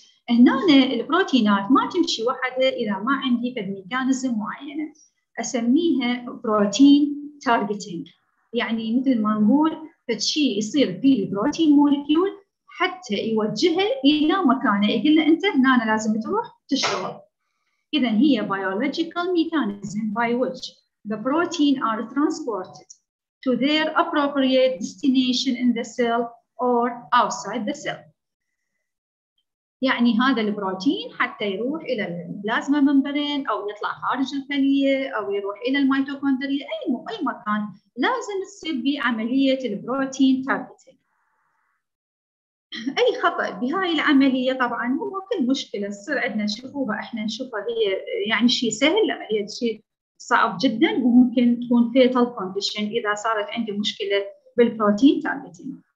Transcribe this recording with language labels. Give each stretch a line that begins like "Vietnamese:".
Arabic: هنا البروتينات ما تمشي وحده اذا ما عندي فد ميكانيزم معينه اسميها بروتين تارجتنج. يعني مثل ما نقول فد شيء يصير في البروتين مولكيول حتى يوجهه الى مكانه، يقول له انت هنا لازم تروح تشتغل. اذا هي
English: biological mechanism by which the protein are transported to their appropriate destination in the cell or outside the cell.
Arabic: يعني هذا البروتين حتى يروح الى البلازما ممبرين او يطلع خارج الخليه او يروح الى الميتوكوندريا اي مكان لازم تصير بعمليه البروتين تارجتنج. اي خطا بهاي العمليه طبعا هو كل مشكله تصير عندنا نشوفوها احنا نشوفها هي يعني شيء سهل، لا هي شيء صعب جدا وممكن تكون فيتال كونديشن اذا صارت عندي مشكله بالبروتين تارجتنج.